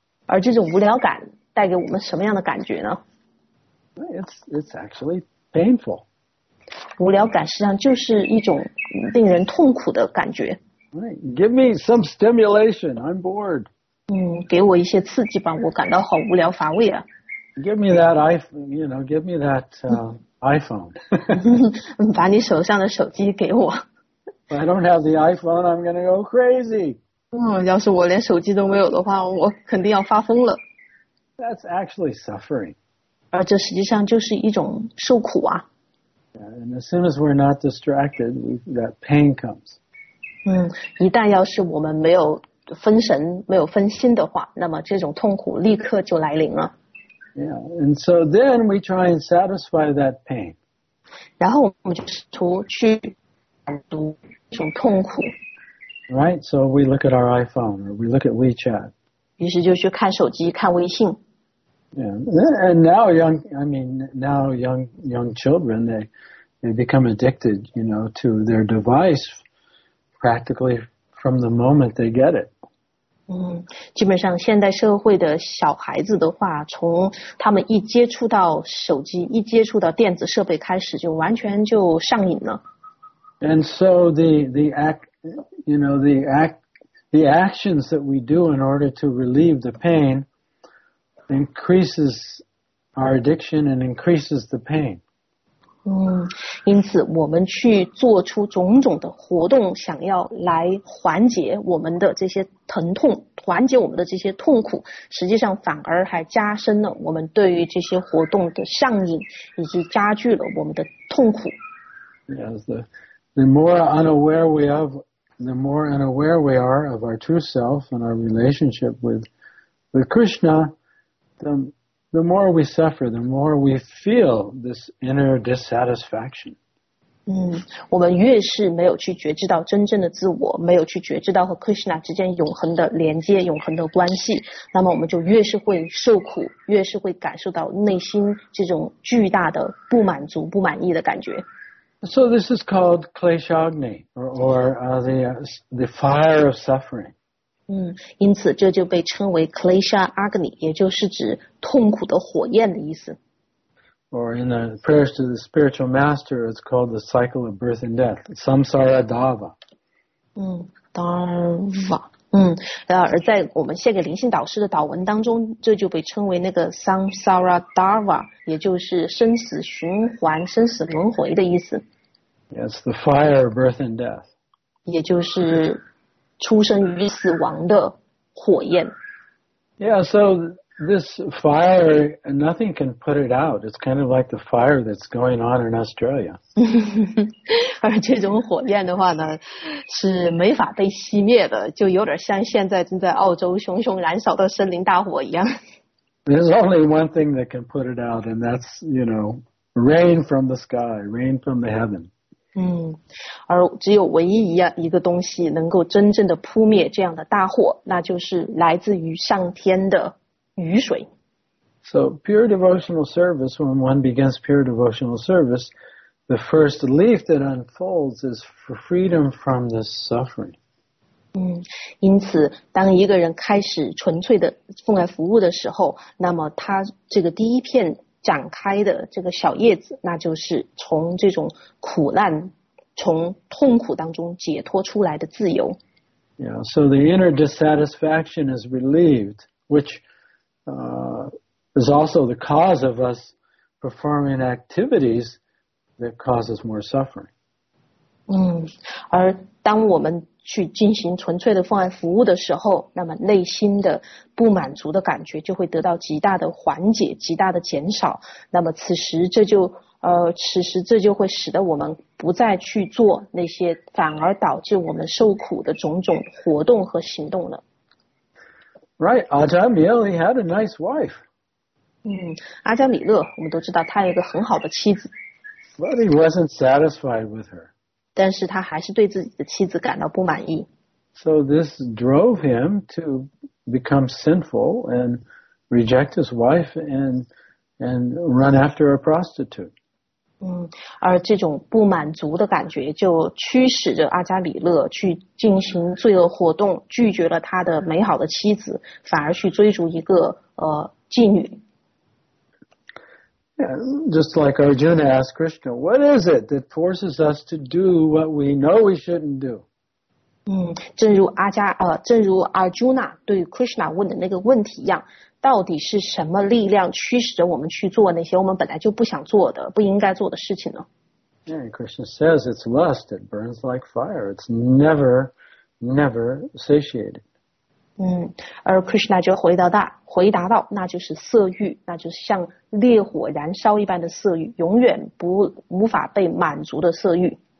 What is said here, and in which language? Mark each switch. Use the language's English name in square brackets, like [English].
[Chinese] 而这种无聊感带给我们什么样的感觉呢？ [English] It's actually painful. [Chinese] 无聊感实际上就是一种令人痛苦的感觉。 [English] Right. Give me some stimulation. I'm bored. [Chinese] 给我一些刺激吧，我感到好无聊乏味啊。 [English] Give me that iPhone, you know, give me that iPhone. [Chinese] 把你手上的手机给我。 [English] If I don't have the iPhone, I'm going to go crazy. [Chinese] 要是我连手机都没有的话，我肯定要发疯了。 [English] That's actually suffering. [Chinese] 而这实际上就是一种受苦啊。 [English] And as soon as we're not distracted, that pain comes. [Chinese] 一旦要是我们没有分神没有分心的话，那么这种痛苦立刻就来临了。 [English] Yeah, and so then we try and satisfy that pain. [Chinese] 然后我们就试图去满足这种痛苦。 [English] Right? So we look at our iPhone or we look at WeChat. [Chinese] 于是就去看手机，看微信。 [English] Yeah. And now young children, they become addicted, you know, to their device practically from the moment they get it. [Chinese] 基本上现代社会的小孩子的话，从他们一接触到手机，一接触到电子设备开始，就完全就上瘾了。 [English] And so the actions that we do in order to relieve the pain increases our addiction and increases the pain. [Chinese] 因此我们去做出种种的活动，想要来缓解我们的这些疼痛，缓解我们的这些痛苦，实际上反而还加深了我们对于这些活动的上瘾，以及加剧了我们的痛苦。 [English] Yes, the more unaware we are, the more unaware we are of our true self and our relationship with Krishna, the more we suffer, the more we feel this inner dissatisfaction. [Chinese] 我们越是没有去觉知到真正的自我，没有去觉知到和 Krishna 之间永恒的连接，永恒的关系，那么我们就越是会受苦，越是会感受到内心这种巨大的不满足，不满意的感觉。 [English] So this is called Kleshagni, or the fire of suffering. [Chinese] 因此这就被称为 Klesha Agni, 也就是指痛苦的火焰的意思。 [English] Or in the prayers to the spiritual master, it's called the cycle of birth and death, samsara dava. [Chinese] Dava. 而在我们献给灵性导师的导文当中，这就被称为那个 samsara dava, 也就是生死循环、生死轮回的意思。 [English] Yes, the fire of birth and death. [Chinese] 也就是出生于死亡的火焰。 [English] Yeah, so this fire, nothing can put it out. It's kind of like the fire that's going on in Australia. [Chinese] 而这种火焰的话呢，是没法被熄灭的，就有点像现在正在澳洲熊熊燃烧的森林大火一样。 [English] There's only one thing that can put it out, and that's, you know, rain from the sky, rain from the heaven. [Chinese] 而只有唯一一个东西能够真正的扑灭这样的大火，那就是来自于上天的雨水。 [English] So pure devotional service, when one begins pure devotional service, the first leaf that unfolds is for freedom from this suffering. [Chinese] 因此当一个人开始纯粹的奉爱服务的时候，那么他这个第一片展开的这个小叶子，那就是从这种苦难，从痛苦当中解脱出来的自由。 [English] Yeah, so the inner dissatisfaction is relieved, which is also the cause of us performing activities that causes more suffering. [Chinese] 而当我们去进行纯粹的奉爱服务的时候，那么内心的不满足的感觉就会得到极大的缓解，极大的减少。那么此时这就会使得我们不再去做那些反而导致我们受苦的种种活动和行动了。 [English] Right, Ajamil, he had a nice wife. [Chinese] 阿加米勒，我们都知道他有一个很好的妻子。 [English] But he wasn't satisfied with her. [Chinese] 但是他还是对自己的妻子感到不满意。 [English] So this drove him to become sinful and reject his wife and run after a prostitute. [Chinese] 而这种不满足的感觉就驱使着阿加米勒去进行罪恶活动，拒绝了他的美好的妻子，反而去追逐一个妓女。 [English] Yeah, just like Arjuna asked Krishna, what is it that forces us to do what we know we shouldn't do? [Chinese] 正如 Arjuna 对 Krishna 问的那个问题一样，到底是什么力量驱使着我们去做那些我们本来就不想做的，不应该做的事情呢？ [English] Yeah, Krishna says it's lust, it burns like fire, it's never, never satiated. [Chinese] 而 Krishna 就回答到，那就是色欲，那就是像烈火燃烧一般的色欲，永远不无法被满足的色欲。